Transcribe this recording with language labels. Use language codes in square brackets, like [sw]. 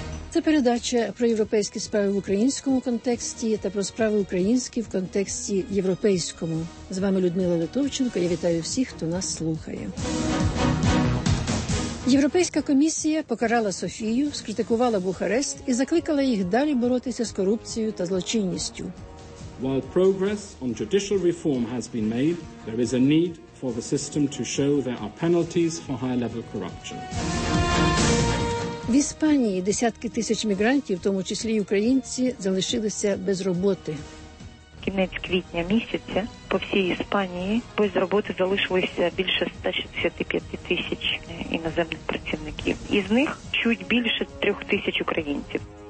[uk] Це передача про європейські справи в українському контексті та про справи українські в контексті європейському. З вами Людмила Литовченко. Я вітаю всіх, хто нас слухає. Європейська комісія покарала Софію, скритикувала Бухарест і закликала їх далі боротися з корупцією та злочинністю. [en] While progress on judicial reform has been made, there is a need for the system to show there are penalties for high-level corruption. [uk] В Іспанії десятки тисяч мігрантів, в тому числі й українці, залишилися без роботи. Кінець квітня місяця по всій Іспанії без роботи залишилося більше 165 тисяч іноземних працівників. Із них чуть більше 3 тисяч українців.